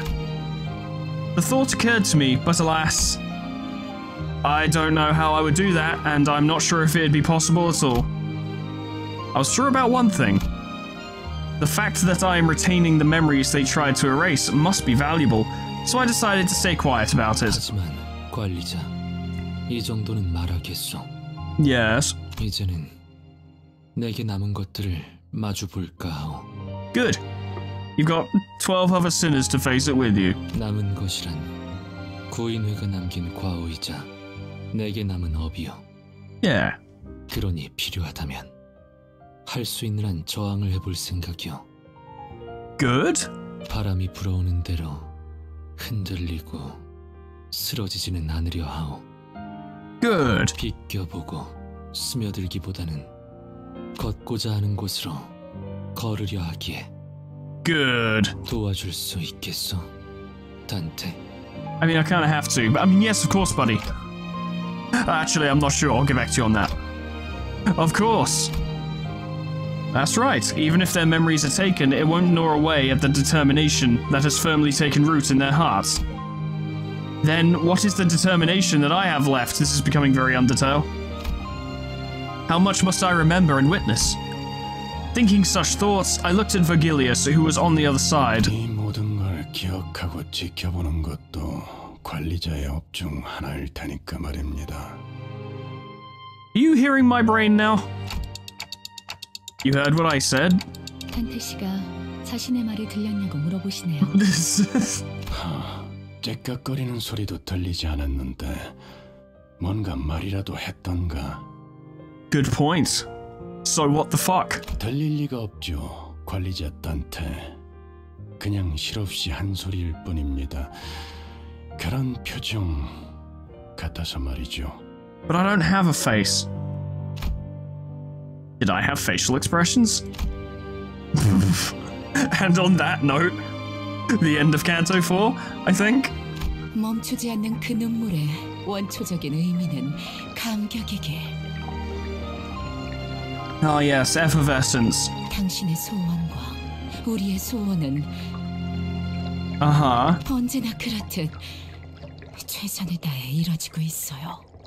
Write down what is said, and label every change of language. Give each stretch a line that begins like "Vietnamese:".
English: The thought occurred to me, but alas, I don't know how I would do that, and I'm not sure if it'd be possible at all. I was sure about one thing. The fact that I am retaining the memories they tried to erase must be valuable, so I decided to stay quiet about it.
Korean: 하지만, 관리자, 이 정도는 말하겠소.
English: Yes.
Korean: 이제는 내게 남은 것들을 마주 볼까오.
English: Good. You've got 12 other sinners to face it with you.
Korean: 남은 것이란 구인회가 남긴 과오이자 내게 남은 업이요.
English: Yeah.
Korean: 그러니 필요하다면 할 수 있는 한 저항을 해볼 생각이요.
English: Good.
Korean: 바람이 불어오는 대로 흔들리고 쓰러지지는 않으려 하오.
English: Good.
Korean: 비껴보고 스며들기보다는 걷고자 하는 곳으로 걸으려 하기에.
English: Good.
Korean: 도와줄 수 있겠소, 단테?
English: I mean, I kind of have to. But I mean, yes, of course, buddy. Actually, I'm not sure. I'll get back to you on that. Of course. That's right. Even if their memories are taken, it won't gnaw away at the determination that has firmly taken root in their hearts. Then, what is the determination that I have left? This is becoming very Undertale. How much must I remember and witness? Thinking such thoughts, I looked at Virgilius, who was on the other side.
Korean: 이 모든 걸 기억하고 지켜보는 것도 관리자의 업 중 하나일 테니까 말입니다.
English: Are you hearing my brain now? You heard what I said?
Korean: 탄테 씨가 자신의 말이 들렸냐고 물어보시네요. 째깍거리는 소리도 들리지 않았는데 뭔가 말이라도 했던가?
English: Good point. So what the fuck?
Korean: 들릴 리가 없죠, 관리자 탄테. 그냥 실없이 한 소리일 뿐입니다. 그런 표정 같아서 말이죠.
English: But I don't have a face. Did I have facial expressions? And on that note, the end of Canto 4, I think.
Korean: 멈추지 않는 그 눈물의 원초적인 의미는 감격이게.
English: Ah yes, effervescence.
Korean: 당신의 소원과 우리의 소원은 uh-huh. 언제나 그렇듯 최선을 다해 이뤄지고 있어요.